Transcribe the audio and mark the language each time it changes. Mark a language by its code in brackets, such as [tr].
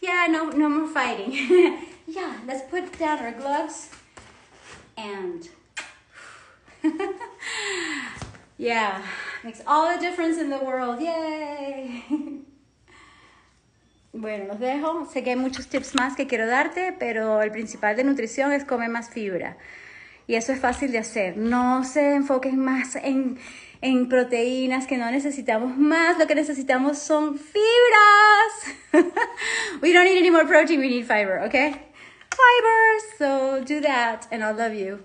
[en] No more fighting. Yeah, let's put down our gloves and yeah, makes all the difference in the world. Yay! [es] Bueno, los dejo. Sé que hay muchos tips más que quiero darte, pero el principal de nutrición es comer más fibra. Y eso es fácil de hacer. No se enfoquen más en proteínas, que no necesitamos más. Lo que necesitamos son fibras. [en] We don't need any more protein, we need fiber, okay? Fiber, so do that, and I love you.